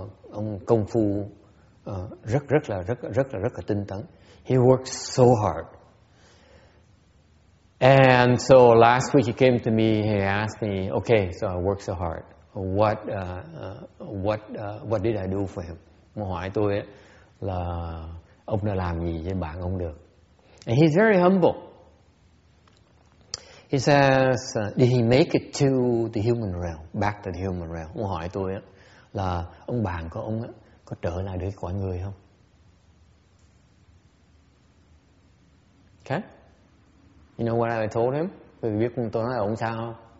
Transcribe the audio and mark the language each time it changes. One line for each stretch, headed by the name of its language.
Vietnamese: Ông công phu rất là tinh tấn.
English: He worked so hard. And so last week he came to me. He asked me, okay, so I worked so hard. What did I do for him?
Vietnamese: Mà hỏi tôi là ông đã làm gì với bạn ông được?
English: And he's very humble. He says, did he make it to the human realm, back to the human realm?
Vietnamese: Ông hỏi tôi là ông bạn của ông có trở lại được cõi người không? Okay.
English: You know what I told him?
Vietnamese: Vì biết tôi nói là ông sao không?